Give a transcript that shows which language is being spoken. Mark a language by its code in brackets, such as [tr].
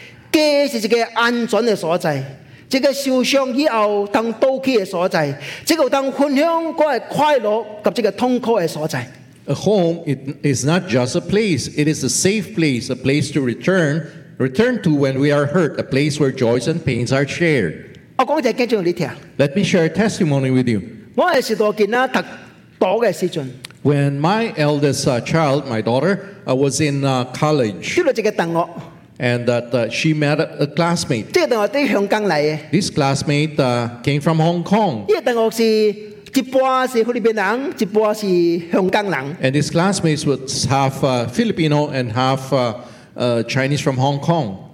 [nan] 不是这个所在, 这个受伤以后当倒去的所在，这个当分享过的快乐及这个痛苦的所在。 [en] A home is not just a place; it is a safe place, a place to return to when we are hurt, a place where joys and pains are shared. [nan] 我讲一个见证你听。 [en] Let me share a testimony with you. [nan] 我也是多囡仔读大的时阵。 [en] When my eldest child, my daughter, was in college. [nan] 读了这个大学。 [en] And that she met a classmate. This classmate came from Hong Kong. And this classmate was half Filipino and half Chinese from Hong Kong.